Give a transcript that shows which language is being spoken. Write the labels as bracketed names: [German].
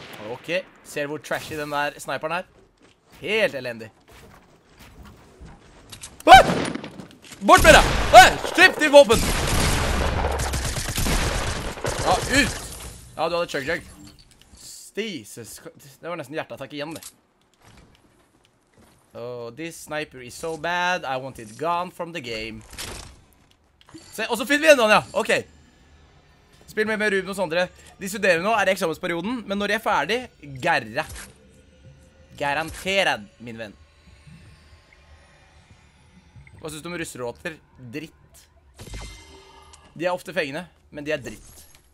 [Norwegian] Ok, ser du hvor trashy den der sniperen er? Helt elendig! Bort med deg! Slipp ditt våpen! Ja, ut! Ja, du hadde chug-chug. Jesus, det var nesten hjerteattack igjen det. [English] Oh, this sniper is so bad, I want it gone from the game. [Norwegian] Se, og så finner vi igjen den, ja! Ok! Spill med Ruben og Sondre. De studerer nå, er i eksamensperioden, men når de er ferdig, gerre. Garanteret, min venn. Hva synes du om russeråter? Dritt. De er ofte fengende, men de er dritt.